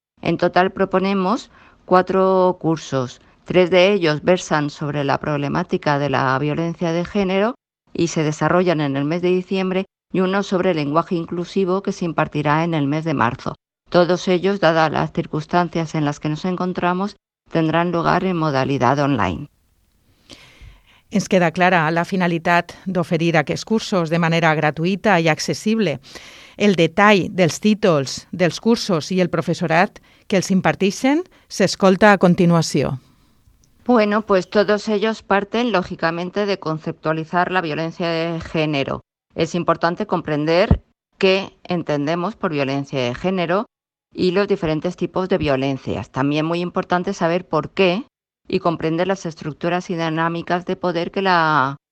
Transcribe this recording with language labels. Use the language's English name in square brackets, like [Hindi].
[Spanish] En total proponemos cuatro cursos. Tres de ellos versan sobre la problemática de la violencia de género y se desarrollan en el mes de diciembre, y uno sobre el lenguaje inclusivo que se impartirá en el mes de marzo. Todos ellos, dadas las circunstancias en las que nos encontramos, tendran lugar en modalitat online. [Catalan] Ens queda clara la finalitat d'oferir aquests cursos de manera gratuïta i accessible. El detall dels títols dels cursos i el professorat que els imparteixen s'escolta a continuació. [Spanish] Bueno, pues todos ellos parten, lógicamente, de conceptualizar la violencia de género. Es importante comprender qué entendemos por violencia de género y los diferentes tipos de violencias. También muy importante saber por qué y comprender las estructuras y dinámicas de poder que la